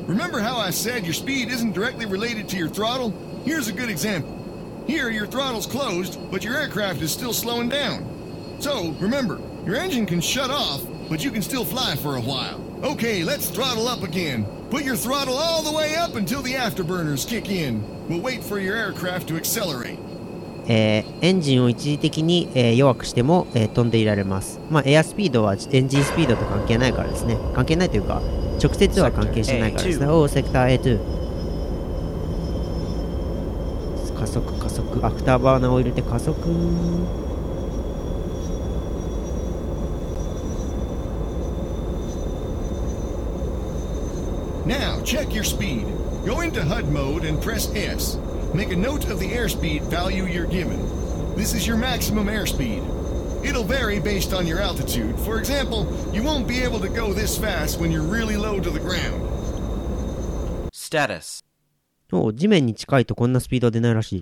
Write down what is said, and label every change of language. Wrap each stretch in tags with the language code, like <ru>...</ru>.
<en>Remember how I said your speed isn't directly related to your throttle? Here's a good example. Here, your throttle's closed, but your aircraft is still slowing down. So, remember, your engine can shut off, but you can still fly for a while. Okay, let's throttle up again. Put your throttle all the way up until the afterburners kick in. We'll wait for your aircraft to accelerate.</en> <ja>エンジンを一時的に、弱くしても、飛んでいられます。まあエアスピードはエンジンスピードと関係ないからですね。関係ないというか直接は関係してないからですね。おお、セクター A2 加速加速、アフターバーナーを入れて加速。</ja> <en>Now check your speed. Go into HUD mode and press SMake a note of the airspeed value you're given. This is your maximum airspeed. It'll vary based on your altitude. For example, you won't be able to go this fast when you're really low to the ground. Status.</en> <ja>お、地面に近いとこんなスピードは出ないらしい。</ja>